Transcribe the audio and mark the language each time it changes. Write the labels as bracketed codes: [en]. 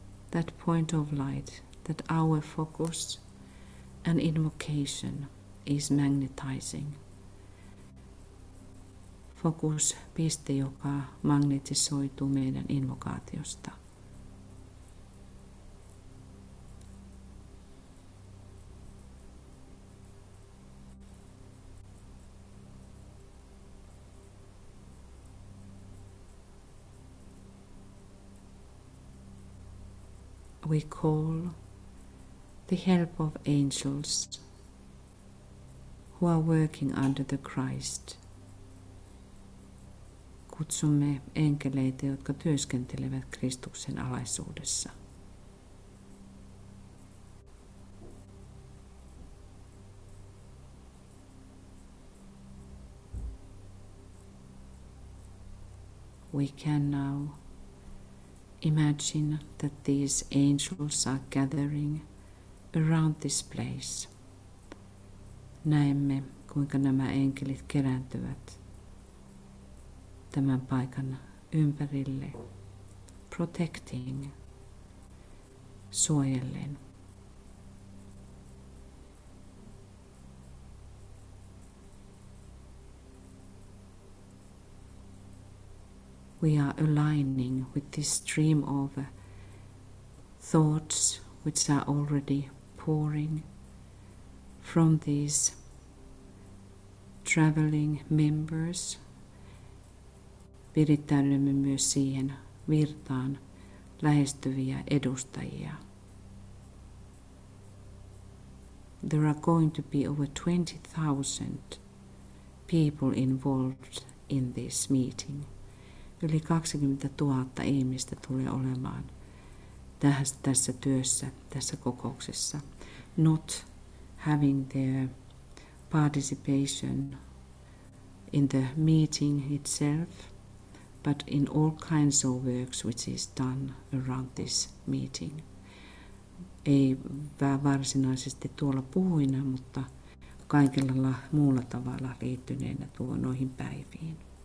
[en] That point of light, that our focus and invocation is magnetizing. [fi] Fokuspiste, joka magnetisoituu meidän invokaatiosta. [en] We call the help of angels who are working under the Christ. [fi] Kutsumme enkeleitä, jotka työskentelevät Kristuksen alaisuudessa. [en] We can now imagine that these angels are gathering around this place. [fi] Näemme, kuinka nämä enkelit kerääntyvät tämän paikan ympärille, [en] protecting, [fi] suojellen. [en] We are aligning with this stream of thoughts which are already pouring from these traveling members. [fi] Virittäydymme myös siihen virtaan lähestyviä edustajia. [en] There are going to be over 20,000 people involved in this meeting. [fi] Yli 20 000 ihmistä tulee olemaan tässä työssä, tässä kokouksessa. [en] Not having their participation in the meeting itself, but in all kinds of works which is done around this meeting. [fi] Ei varsinaisesti tuolla puhuina, mutta kaikella muulla tavalla liittyneenä tuohon noihin päiviin.